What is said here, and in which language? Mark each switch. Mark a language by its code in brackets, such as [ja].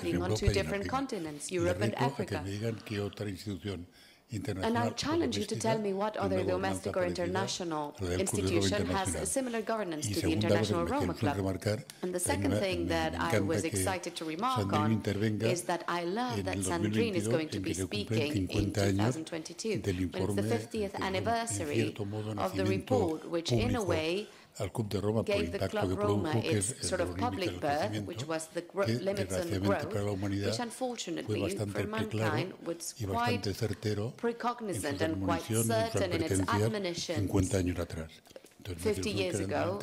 [en] residing on two different continents, Europe and Africa. [es] Y reto a que me digan qué otra institución internacional. [en] And I challenge you to tell me what other domestic or international institution has a similar governance to the International Roma Club. And the second thing that I was excited to remark on is that I love that Sandrine is going to be speaking in 2022, when it's the 50th anniversary of the report, which in a way gave the Club Roma its sort of public birth, which was the limits on growth, which unfortunately for mankind was quite precognizant and quite certain in its admonitions 50 years ago.